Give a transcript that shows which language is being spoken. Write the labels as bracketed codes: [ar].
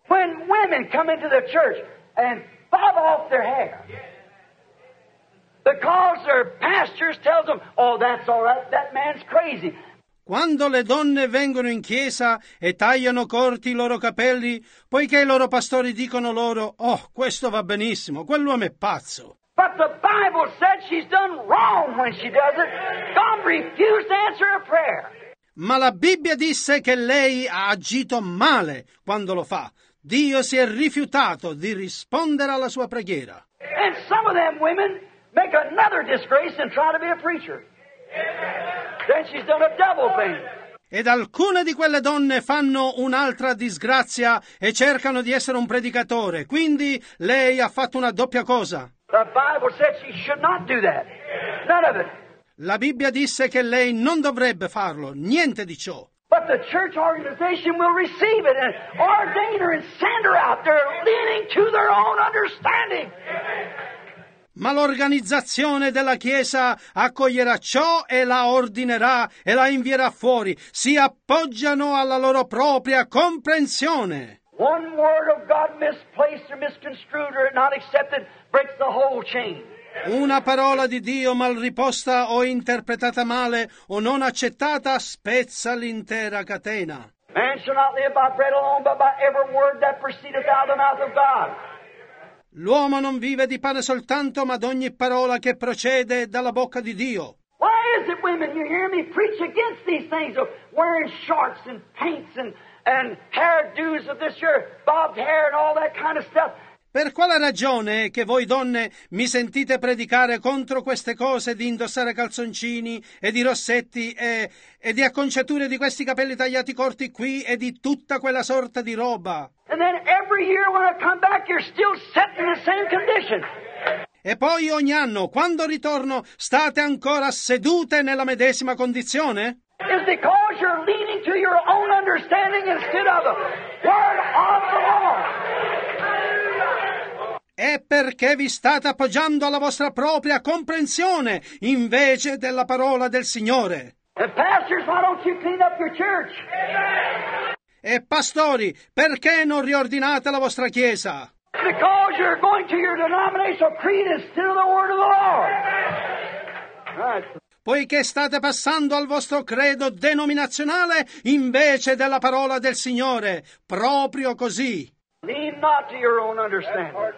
[en] When women come into the church and bob off their hair. Because their pastors tell them, oh, that's all right, that man's crazy. [it] Quando le donne vengono in chiesa e tagliano corti i loro capelli, poiché i loro pastori dicono loro, oh, questo va benissimo, quell'uomo è pazzo. [en] But the Bible said she's done wrong when she does it. God refused to answer her prayer. [it] Ma la Bibbia disse che lei ha agito male quando lo fa. Dio si è rifiutato di rispondere alla sua preghiera. [en] And some of them women make another disgrace and try to be a preacher. Then she's done a double thing. [it] Ed alcune di quelle donne fanno un'altra disgrazia e cercano di essere un predicatore. Quindi lei ha fatto una doppia cosa. [en] The Bible said she should not do that. None of it. [it] La Bibbia disse che lei non dovrebbe farlo. Niente di ciò. [en] But the church organization will receive it and ordain her and send her out there leaning to their own understanding. [it] Ma l'organizzazione della Chiesa accoglierà ciò e la ordinerà e la invierà fuori. Si appoggiano alla loro propria comprensione. [en] One word of God misplaced or misconstrued or not accepted breaks the whole chain. [it] Una parola di Dio mal riposta o interpretata male o non accettata spezza l'intera catena. [en] Man shall not live by bread alone, but by every word that proceedeth out of the mouth of God. [it] L'uomo non vive di pane soltanto, ma d'ogni parola che procede dalla bocca di Dio. [en] Why is it, women, you hear me preach against these things of wearing shorts and paints and hairdos of this year, bobbed hair and all that kind of stuff? [it] Per quale ragione che voi donne mi sentite predicare contro queste cose di indossare calzoncini e di rossetti e di acconciature di questi capelli tagliati corti qui e di tutta quella sorta di roba? [en] And then every year when I come back you're still set in the same condition. [it] E poi ogni anno, quando ritorno, state ancora sedute nella medesima condizione? [en] It's because you're leaning to your own understanding instead of the word of the Lord. [it] È perché vi state appoggiando alla vostra propria comprensione invece della parola del Signore. [en] And pastors, why don't you clean up your church? [it] E pastori, perché non riordinate la vostra chiesa? [en] Because you're going to your denominational creed instead of the word of the Lord. Right. [it] Poiché state passando al vostro credo denominazionale invece della parola del Signore, proprio così. [en] Lean not to your own understanding.